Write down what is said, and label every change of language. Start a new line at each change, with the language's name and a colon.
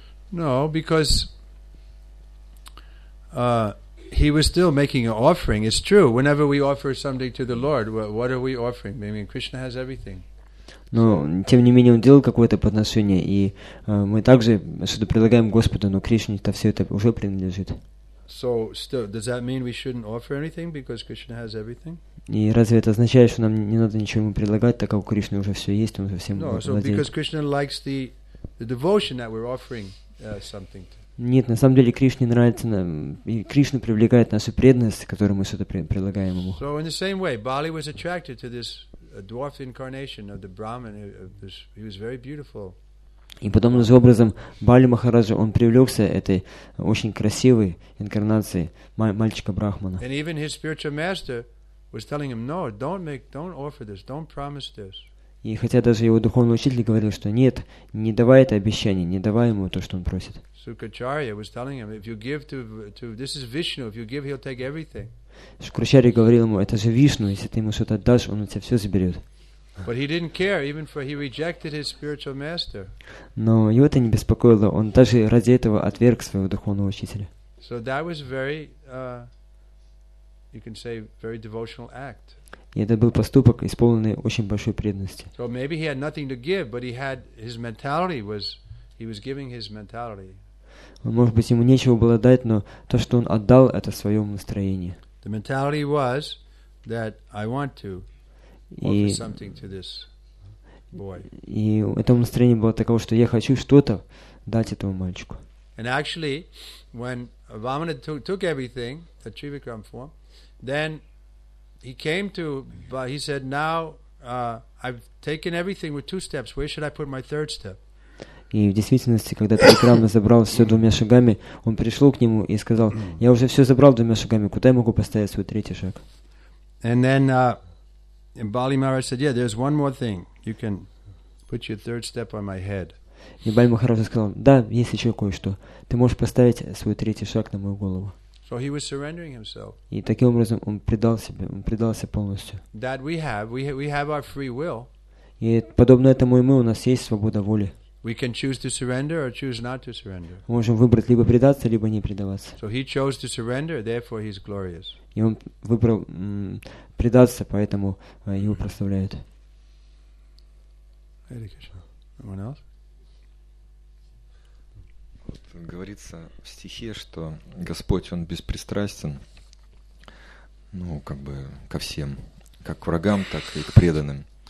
English: No, because he was still making an offering. It's true. Whenever we offer something to the Lord, what are we offering? I mean, Krishna has everything.
Russian: Но тем не менее он делал какое-то подношение, и мы также что-то предлагаем Господу, но Кришне-то все это уже принадлежит.
English: So, still, does that mean we shouldn't offer anything because Krishna has everything?
Russian: И разве это означает, что нам не надо ничего ему предлагать, так как у Кришны уже все есть, он уже всем владеет?
English: No, so because Krishna likes the devotion that we're offering.
Russian: Нет, на самом деле Кришне нравится нам, и Кришна привлекает нашу преданность, которую мы что-то предлагаем ему.
English: So in the same way, Bali was attracted to this dwarf incarnation of the Brahman. He was very beautiful.
Russian: И подобным же образом Бали Махараджа, он привлекся этой очень красивой инкарнации мальчика Брахмана.
English: And even his spiritual master was telling him, no, don't offer this, don't promise this.
Russian: И хотя даже его духовный учитель говорил, что нет, не давай это обещание, не давай ему то, что он просит.
English: Sukracharya was telling him, if you give to this is Vishnu, if you give, he'll take everything.
Russian: Sukracharya говорил ему, это же Вишну, если ты ему что-то отдашь, он у тебя все заберет.
English: But he didn't care, even for he rejected his spiritual master.
Russian: Но его это не беспокоило, он даже ради этого отверг своего духовного учителя.
English: So that was very, you can say, very devotional act.
Russian: И это был поступок, исполненный очень большой преданности.
English: So maybe he had nothing to give, but he had his mentality was he was giving his mentality.
Russian: Может быть, ему нечего было дать, но то, что он отдал, это свое настроение.
English: The mentality was that I want to offer something to this boy.
Russian: И это настроение было такое, что я хочу что-то дать этому мальчику.
English: And actually, when Vamana took everything, the Trivikram form, then he came to, but he said, "Now I've taken everything with two steps. Where should I put my third step?"
Russian: И в действительности, когда Трикрам забрал все двумя шагами, он пришел к нему и сказал: "Я уже все забрал двумя шагами. Куда я могу поставить свой третий шаг?"
English: And then Bali Maharaj said, "Yeah, there's one more thing. You can put your third step on my head."
Russian: И Бали Махарадж сказал: "Да, есть еще кое-что. Ты можешь поставить свой третий шаг на мою голову."
English: So he was surrendering himself.
Russian: И таким образом он предал себя, он предался полностью.
English: That we have our free will.
Russian: И подобно этому и мы, у нас есть свобода воли.
English: We can choose to surrender or choose not to surrender.
Russian: Мы можем выбрать либо предаться, либо не предаваться.
English: So he chose to surrender, therefore he's glorious.
Russian: И он выбрал предаться, поэтому его прославляют.
English: Hare Krishna. Anyone else?
Russian: Говорится в стихе, что Господь, Он беспристрастен, ну, как бы ко всем, как к врагам, так и к преданным.